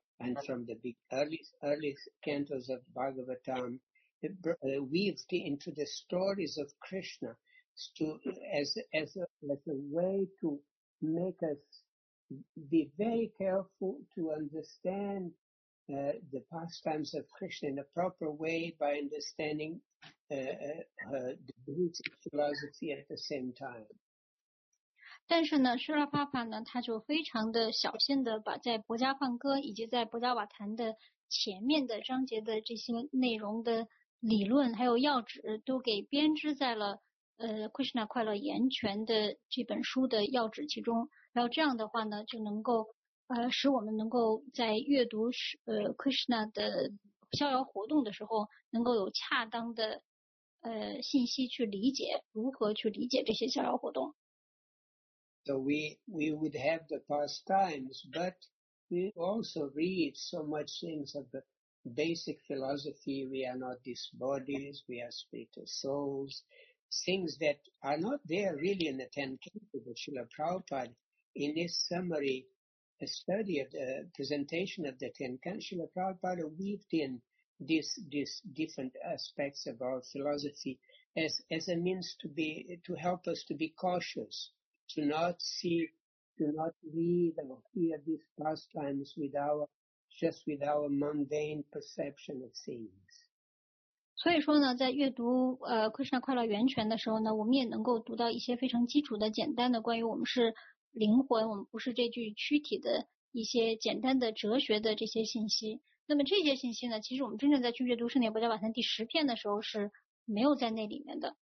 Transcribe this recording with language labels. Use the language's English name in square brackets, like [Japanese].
[English] And from the early cantos of Bhagavatam, weaved into the stories of Krishna as a way to make us be very careful to understand the pastimes of Krishna in a proper way by understanding the Buddhist philosophy at the same time. [Chinese] 但是呢，舍勒帕帕呢，他就非常的小心的把在《薄伽梵歌》以及在《薄伽瓦坛》的前面的章节的这些内容的理论还有要旨，都给编织在了Krishna 快乐源泉的这本书的要旨其中。然后这样的话呢，就能够使我们能够在阅读Krishna 的逍遥活动的时候，能够有恰当的信息去理解如何去理解这些逍遥活动。 [English] So we would have the pastimes, but we also read so much things of the basic philosophy. We are not these bodies, we are spiritual souls. Things that are not there really in the 10th canto, but Srila Prabhupada, in this summary, a study of the presentation of the 10th canto, Srila Prabhupada weaved in these different aspects of our philosophy as a means to help us to be cautious. To not see, to not read or hear these pastimes with our mundane perception of things. [Chinese] 所以说呢，在阅读Krishna 快乐源泉的时候呢，我们也能够读到一些非常基础的、简单的关于我们是灵魂，我们不是这具躯体的一些简单的哲学的这些信息。那么这些信息呢，其实我们真正在去阅读圣典波迦瓦坛第十篇的时候是没有在那里面的。